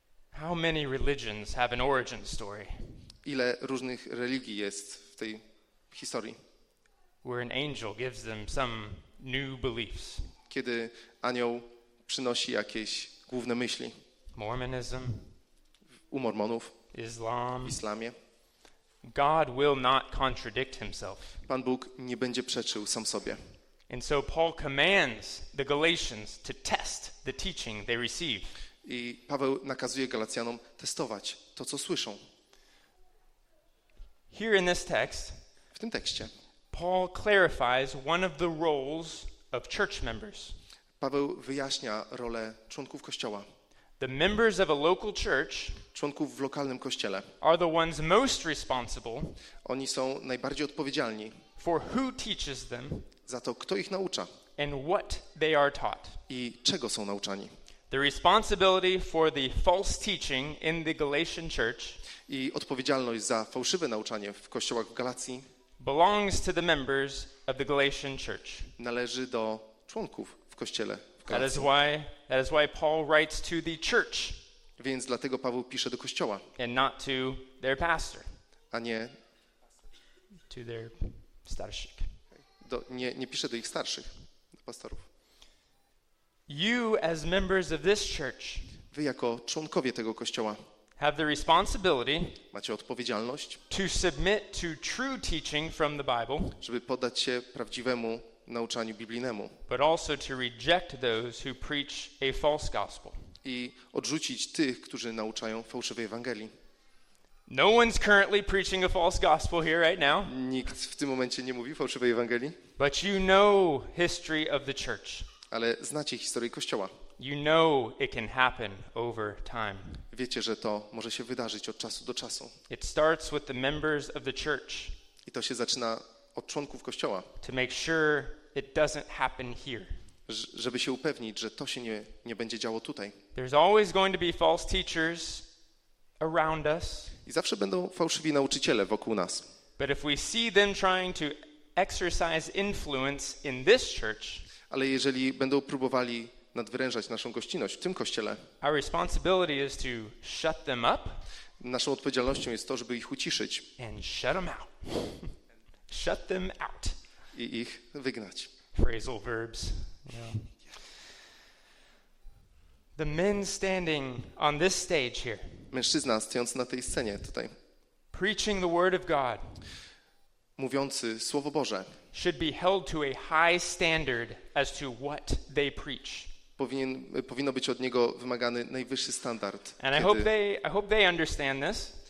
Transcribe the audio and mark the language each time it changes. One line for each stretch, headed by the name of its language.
English: How many religions have an origin story?
Polish: Ile różnych religii jest w tej historii?
English: Where an angel gives them some new beliefs.
Polish: Kiedy anioł przynosi jakieś główne myśli.
English: Mormonism.
Polish: U Mormonów.
English: Islam.
Polish: W islamie.
English: God will not contradict himself.
Polish: Pan Bóg nie będzie przeczył sam sobie.
English: And so Paul commands the Galatians to test the teaching they receive.
Polish: I Paweł nakazuje Galacjanom testować to, co słyszą.
English: Here in this text,
Polish: w tym tekście,
English: Paul clarifies one of the roles of church members.
Polish: Paweł wyjaśnia rolę członków kościoła.
English: The members of a local church,
Polish: członków w lokalnym kościele,
English: are the ones most responsible.
Polish: Oni są najbardziej odpowiedzialni
English: for who teaches them,
Polish: za to, kto ich naucza,
English: and what they are taught.
Polish: I czego są nauczani.
English: The responsibility for the false teaching in the Galatian church,
Polish: i odpowiedzialność za fałszywe nauczanie w kościołach w Galacji,
English: belongs to the members of the Galatian church.
Polish: Należy do członków w kościele.
English: That is why Paul writes to the church.
Polish: Więc dlatego Paweł pisze do kościoła.
English: And not to their pastor.
Polish: A nie
English: to their
Polish: starszych. Nie pisze do ich starszych, do pastorów.
English: You as members of this church,
Polish: wy jako członkowie tego kościoła,
English: have the responsibility,
Polish: macie odpowiedzialność,
English: to submit to true teaching from the Bible,
Polish: żeby poddać się prawdziwemu nauczaniu biblijnemu,
English: but also to reject those who preach a false gospel.
Polish: I odrzucić tych, którzy nauczają fałszywej Ewangelii.
English: No one's currently preaching a false gospel here right now.
Polish: Nikt w tym momencie nie mówi fałszywej Ewangelii.
English: But you know history of the church.
Polish: Ale znacie historię Kościoła.
English: You know it can happen over time.
Polish: Wiecie, że to może się wydarzyć od czasu do czasu.
English: It starts with the members of the church.
Polish: I to się zaczyna od członków Kościoła.
English: To make sure it doesn't happen here.
Polish: Żeby się upewnić, że to się nie będzie działo tutaj.
English: There's always going to be false teachers around us.
Polish: I zawsze będą fałszywi nauczyciele wokół nas.
English: But if we see them trying to exercise influence in this church,
Polish: ale jeżeli będą próbowali nadwyrężać naszą gościnność w tym kościele,
English: our responsibility is to shut them up.
Polish: Naszą odpowiedzialnością jest to, żeby ich uciszyć.
English: And shut them out. Shut them out.
Polish: I ich wygnać.
English: Phrasal verbs. Yeah. The men standing on this stage here.
Polish: Mężczyzna stojący na tej scenie tutaj.
English: Preaching the word of God.
Polish: Mówiący słowo Boże.
English: Should be held to a high standard as to what they preach.
Polish: Powinno być od niego wymagany najwyższy standard.
English: And I hope they understand this.